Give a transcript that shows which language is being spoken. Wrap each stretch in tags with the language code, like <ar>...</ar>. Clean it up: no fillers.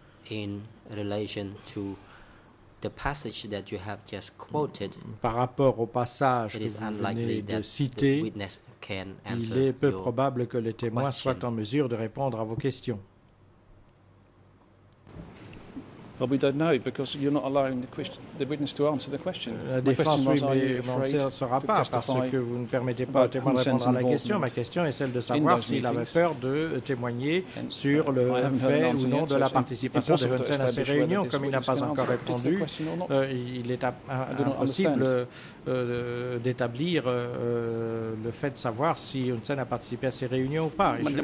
<en>in relation to the passage that you have just quoted,</en> <fr>par rapport au passage que vous venez de citer, il est peu probable que le témoin soit en mesure de répondre à vos questions.</fr> <en>Well, we don't know because you're not allowing the witness to answer the question.</en> <fr>La défense ne sera pas parce que vous ne permettez pas au témoin de répondre à la question. Ma question est celle de savoir s'il avait peur de témoigner sur le fait ou non de la participation de Hun Sen à ces réunions. Comme il n'a pas encore répondu, il est impossible d'établir le fait de savoir si Hun Sen a participé à ces réunions ou pas.</fr>